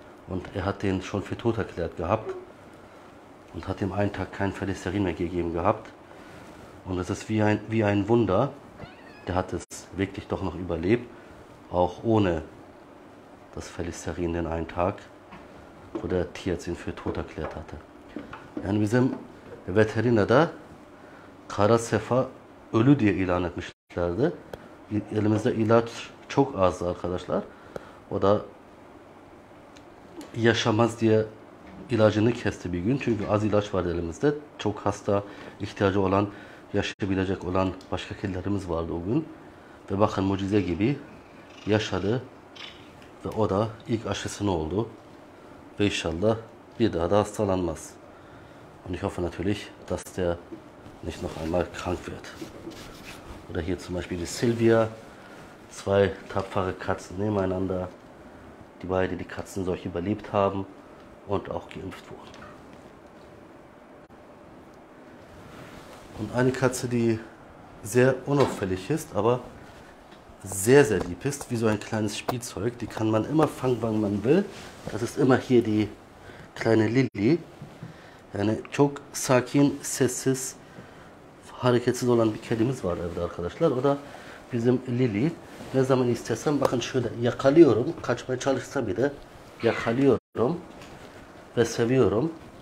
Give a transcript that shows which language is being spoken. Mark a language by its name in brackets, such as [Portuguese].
[German] Und er hat den schon für tot erklärt gehabt und hat dem einen Tag kein Phylloxerin mehr gegeben gehabt. Und es ist wie ein Wunder. Der hat es wirklich doch noch überlebt, auch ohne das Phylloxerin den einen Tag, wo der Tierarzt ihn für tot erklärt hatte. [Turkish] Yani bizim veterinada kara sefa ölü diye ilan etmişlerdi. Elimizde ilaç çok azdı arkadaşlar. O da yaşamaz diye ilacını kesti bir gün. Çünkü az ilaç vardı elimizde. Çok hasta, ihtiyacı olan, yaşayabilecek olan başka kedilerimiz vardı o gün. Ve bakın mucize gibi yaşadı. Ve o da ilk aşısını oldu. Ve inşallah bir daha da hastalanmaz. [German] Und ich hoffe natürlich, dass der nicht noch einmal krank wird. Oder hier zum Beispiel die Silvia. Zwei tapfere Katzen nebeneinander. Die beide die Katzen solche überlebt haben und auch geimpft wurden. Und eine Katze, die sehr unauffällig ist, aber sehr, sehr lieb ist, wie so ein kleines Spielzeug. Die kann man immer fangen, wann man will. Das ist immer hier die kleine Lilly. [Turkish] Yani çok sakin, sessiz, hareketsiz olan bir kedimiz var evde arkadaşlar. O da bizim Lili. Ne zaman istesem bakın şöyle yakalıyorum. Kaçmaya çalışsa bile yakalıyorum ve seviyorum.